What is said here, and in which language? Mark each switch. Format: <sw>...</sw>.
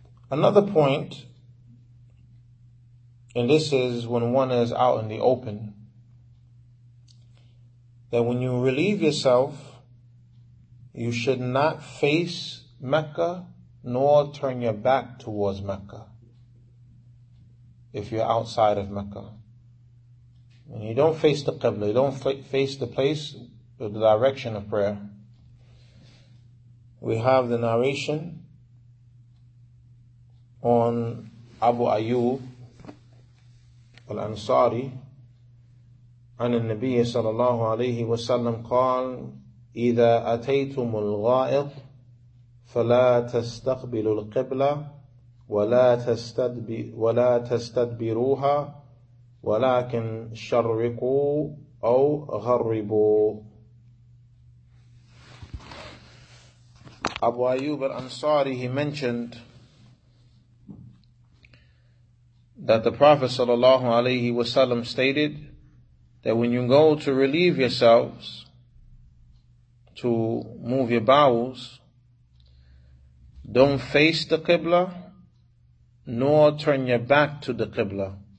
<en>Another point, and this is when one is out in the open, that when you relieve yourself, you should not face Mecca nor turn your back towards Mecca if you're outside of Mecca. And you don't face the Qibla, you don't face the place or the direction of prayer. We have the narration on</en> <ar>Abu Ayyub al-Ansari عن النبي صلى الله عليه وسلم قال إذا أتيتم الغائط فلا تستقبلوا القبلة ولا تستدبروها ولكن شرقوا أو غربوا.</ar> <en>Abu Ayyub al-Ansari, he mentioned that the Prophet sallallahu alayhi wasallam stated that when you go to relieve yourselves, to move your bowels, don't face the Qibla, nor turn your back to the Qibla.</en>